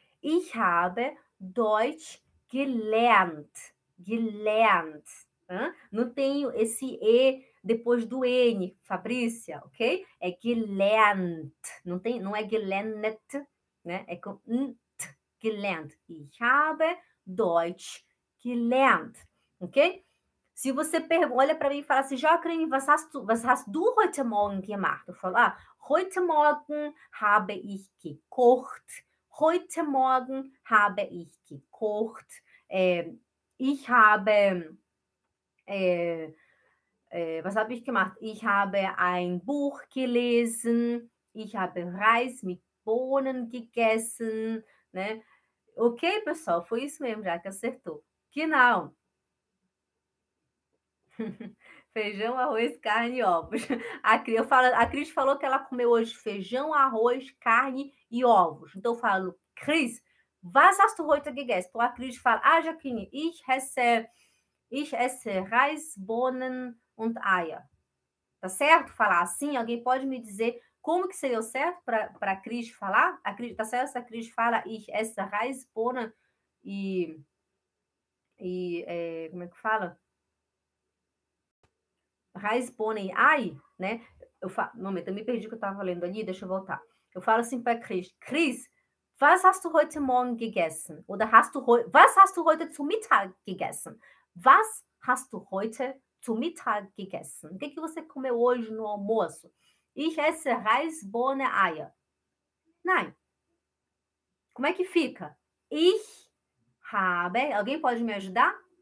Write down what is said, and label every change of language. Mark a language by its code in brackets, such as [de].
[de] Ich habe Deutsch gelernt. Gelernt. Hein? [pt] Não tenho esse E depois do N, Fabrícia, ok? É gelernt. Não tem, não é gelernet, né? É com nt, gelernt. [de] Ich habe Deutsch gelernt. Ok? [pt] Se você olha para mim e fala assim, Jacqueline, [de] was hast du heute Morgen gemacht? [pt] Eu falo, [de] ah, heute Morgen habe ich gekocht. Heute Morgen habe ich gekocht. Ich habe, was habe ich gemacht? Ich habe ein Buch gelesen. Ich habe Reis mit Bohnen gegessen. [pt] Né? Ok, pessoal, foi isso mesmo, já que acertou. Genau. Feijão, arroz, carne e ovos. A Cris falou que ela comeu hoje feijão, arroz, carne e ovos. Então eu falo, Cris, [de] was hast du heute gegessen? [pt] Então a Cris fala, ah, Jacqueline, [de] ich esse Reis, Bohnen und Eier. [pt] Tá certo falar assim? Alguém pode me dizer como que seria o certo para a Cris falar? Tá certo se a Cris fala, [de] ich esse Reis, Bohnen [pt] e como é que fala? [de] Reis, Bohnen, Ei, né? [pt] Eu falo, não, eu me perdi o que eu estava lendo ali, deixa eu voltar. Eu falo assim para Cris: Cris, [de] was hast du heute Morgen gegessen? Oder was hast du heute zu Mittag gegessen? Was hast du heute Zumittag gegessen? [pt] O que que você comeu hoje no almoço? [de] Ich esse Reis, Bohnen, Eier. [pt] Nein. Como é que fica? [de] Ich habe. [pt] Alguém pode me ajudar?